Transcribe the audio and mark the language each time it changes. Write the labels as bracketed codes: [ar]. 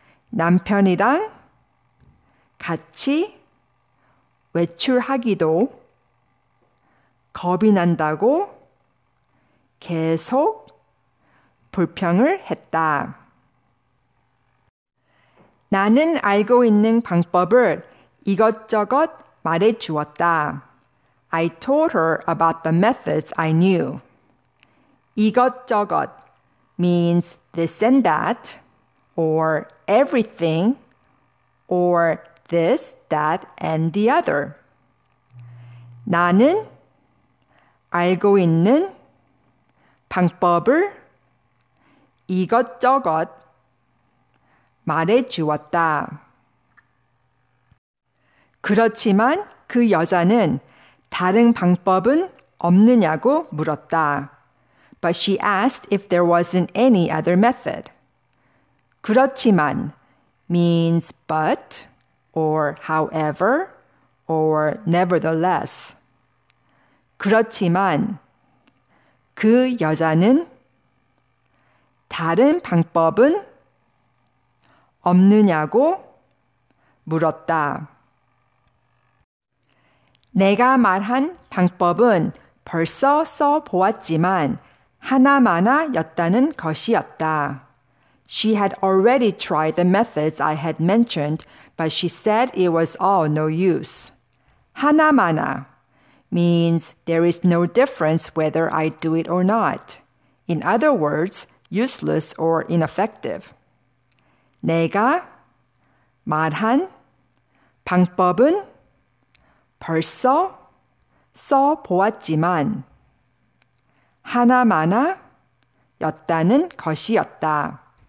[ko] 남편이랑 같이 외출하기도 겁이 난다고 계속 불평을 했다. 나는 알고 있는 방법을 이것저것 말해 주었다. [en] I told her about the methods I knew. 이것저것 means this and that, or everything, or this, that, and the other. [ko] 나는 알고 있는 방법을 이것저것 말해 주었다. 그렇지만 그 여자는 다른 방법은 없느냐고 물었다. [en] But she asked if there wasn't any other method. 그렇지만 means but or however or nevertheless. [ko] 그렇지만 그 여자는 다른 방법은 없느냐고 물었다. 내가 말한 방법은 벌써 써보았지만 하나마나였다는 것이었다. [en] She had already tried the methods I had mentioned, but she said it was all no use. [ko] 하나마나 [en] means there is no difference whether I do it or not. In other words, useless or ineffective. [ko] 내가 말한 방법은 벌써 써보았지만 하나마나였다는 것이었다.